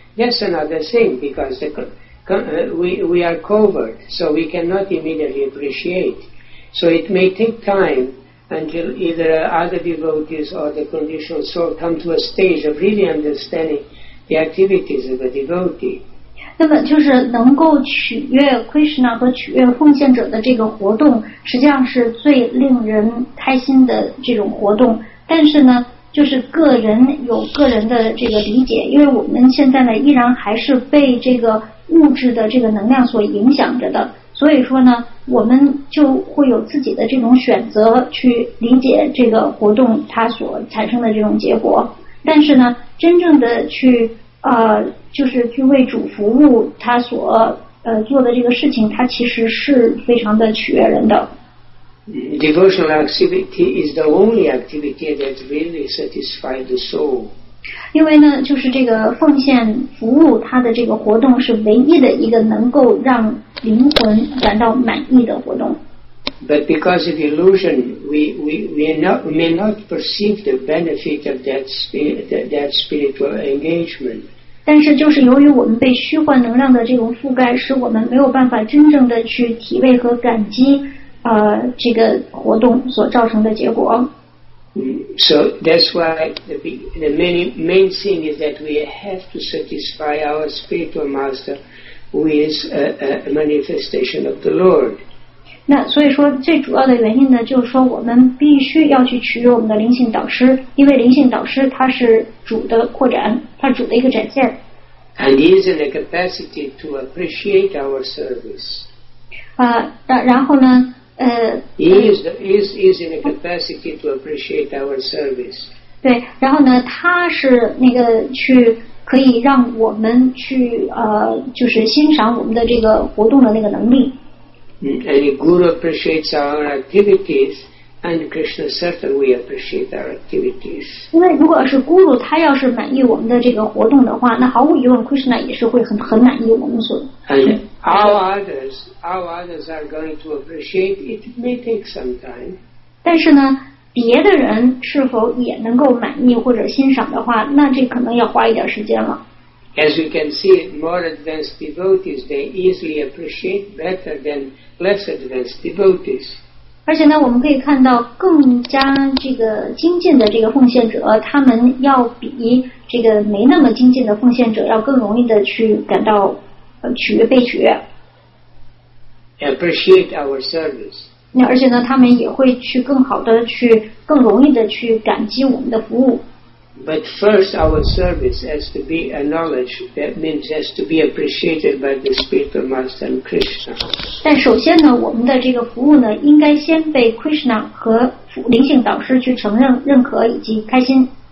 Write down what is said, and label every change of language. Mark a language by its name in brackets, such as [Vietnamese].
[English] That's another thing, because we are covert, so we cannot immediately appreciate. So it may take time until either other devotees or the conditioned soul come to a stage of really understanding the activities of a devotee. [Chinese] 那么就是能够取悦 Krishna 和取悦奉献者的这个活动，实际上是最令人开心的这种活动。但是呢，就是个人有个人的这个理解，因为我们现在呢，依然还是被这个物质的这个能量所影响着的。所以说呢，我们就会有自己的这种选择去理解这个活动它所产生的这种结果。但是呢，真正的去就是去为主服务，他所做的这个事情，他其实是非常的取悦人的。 [English] Devotional activity is the only activity that really satisfies the soul. [Chinese] 因为呢，就是这个奉献服务，他的这个活动是唯一的一个能够让灵魂感到满意的活动。 [English] But because of illusion, we may not perceive the benefit of that spiritual engagement. [Chinese] 但是就是由于我们被虚幻能量的这种覆盖，使我们没有办法真正的去体味和感激这个活动所造成的结果。 [English] So that's why the main thing is that we have to satisfy our spiritual master with a manifestation of the Lord. [Chinese] 那所以说最主要的原因呢，就是说我们必须要去取悦我们的灵性导师，因为灵性导师他是主的扩展，他是主的一个展现。 [English] And he is in the capacity to appreciate our service. [Chinese] 然后呢 [English] He is in the capacity to appreciate our service. [Chinese] 对，然后呢他是那个去可以让我们去就是欣赏我们的这个活动的那个能力。 [English] Any guru appreciates our activities, and Krishna certainly appreciates our activities. [Chinese] 因为如果是 guru, 他要是满意我们的这个活动的话，那毫无疑问 ，Krishna 也是会很满意我们所。 [English] And our others are going to appreciate. It may take some time. [Chinese] 但是呢，别的人是否也能够满意或者欣赏的话，那这可能要花一点时间了。 [English] As you can see, more advanced devotees, they easily appreciate better than less advanced devotees. [Chinese] 而且呢，我们可以看到更加这个精进的这个奉献者，他们要比这个没那么精进的奉献者要更容易的去感到取悦被取悦。 [English] Appreciate our service. [Chinese] 那而且呢，他们也会去更好的去更容易的去感激我们的服务。 [English] But first, our service has to be acknowledged. That means has to be appreciated by the spiritual master and Krishna. [Chinese] 但首先呢，我们的这个服务呢，应该先被 Krishna 和灵性导师去承认、认可以及开心。